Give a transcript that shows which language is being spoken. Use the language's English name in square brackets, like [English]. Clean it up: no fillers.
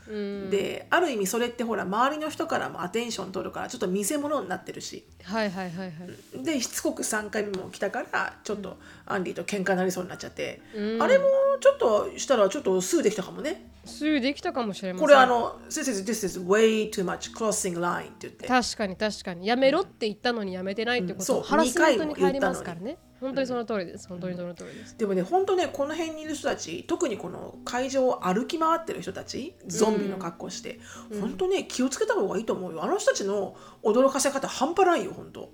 [Japanese] うん、である意味それってほら周りの人からもアテンション取るからちょっと見せ物になってるし、はいはいはいはい、でしつこく3回目も来たからちょっとアンディと喧嘩になりそうになっちゃって、うん、あれもちょっとしたらちょっとスーできたかもね。スーできたかもしれません。これあの [English] This is, this is way too much crossing line [Japanese] って言って、確かに確かに、やめろって言ったのにやめてないってことハラスメントに変わりますからね。本当にその通りです、うん、本当にその通りです、うん、でもね本当ね、この辺にいる人たち、特にこの会場を歩き回ってる人たち、ゾンビの格好して、うん、本当ね気をつけた方がいいと思うよ。あの人たちの驚かせ方半端ないよ本当。